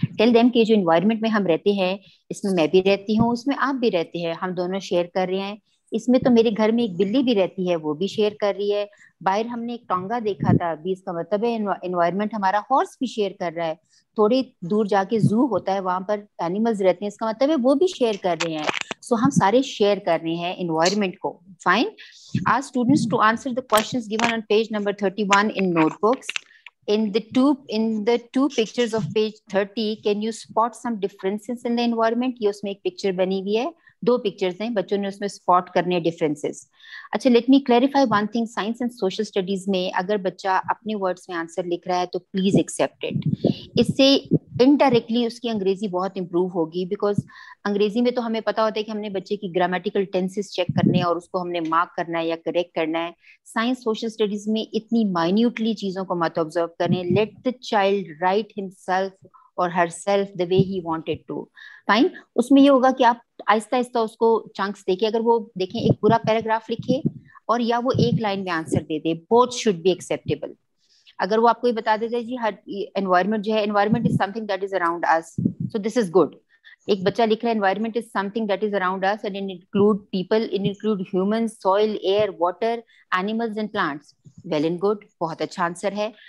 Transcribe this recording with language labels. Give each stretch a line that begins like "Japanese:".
Hindi: Tell them कि जो environment में हम रहते हैं इसमें मैं भी रहती हूँ, उसमें आप भी रहते हैं, हम दोनों शेयर कर रहे हैं इसमें, तो मेरे घर में एक बिल्ली भी रहती है वो भी शेयर कर रही है, बाहर हमने एक टोंगा देखा था अभी, इसका मतलब है एनवायरनमेंट हमारा हॉर्स भी शेयर कर रहा है, थोड़ी दूर जाके जू होता है वहां पर एनिमल्स रहते हैं, इसका मतलब है वो भी शेयर कर रहे हैं। सो हम सारे शेयर कर रहे हैं एनवायरनमेंट को।
English: Fine, ask students to answer the questions given on page number 31 in notebooks. In the two pictures of page 30, can you spot some differences in the environment?
Hindi: ये उसमें एक पिक्चर बनी हुई है, 2 pictures हैं, बच्चों ने उसमें spot करने differences.
English: अच्छा, let me clarify one thing.
Hindi: Science and social studies में अगर बच्चा अपने words में answer लिख रहा है तो
English: please accept it.
Hindi: इससे indirectly उसकी अंग्रेजी बहुत improve होगी, because अंग्रेजी में तो हमें पता होता है कि हमने बच्चे की grammatical tenses check करने हैं और उसको हमने mark करना है या correct करना है। Science social studies में इतनी minutely चीजों को मत observe करें,
English: let the child write himself or herself the way he wanted to. Fine?
Hindi: उसमें ये होगा कि आप आहिस्ता आहिस्ता उसको chunks देखें, अगर वो देखें एक पूरा paragraph लिखे और या वो एक line में answer दे दे,
English: both should be acceptable.
Hindi: अगर वो आपको ये बता देते हैं जी हर एनवायरनमेंट जो है,
English: Environment is something that is around us, so this is good.
Hindi: एक बच्चा लिख रहा है
English: environment is something that is around us and it include people, it include humans, soil, air, water, animals and plants, well and good,
Hindi: बहुत अच्छा answer है।